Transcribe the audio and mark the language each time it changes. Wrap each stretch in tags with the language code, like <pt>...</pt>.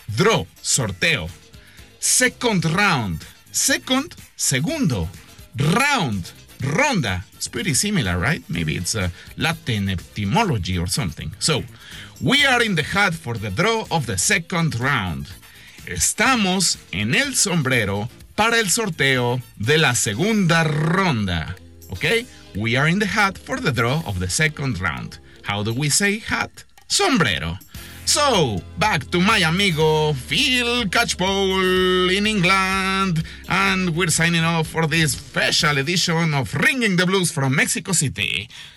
<en>Draw, sorteo. Second round. Second, segundo. Round, ronda. It's pretty similar, right? Maybe it's a Latin etymology or something. So, we are in the hat for the draw of the second round.</en> <es>Estamos en el sombrero para el sorteo de la segunda ronda.</es> <en>Okay? We are in the hat for the draw of the second round. How do we say hat? Sombrero. So, back to my amigo Phil Catchpole in England. And we're signing off for this special edition of Ringing the Blues from Mexico City.</en>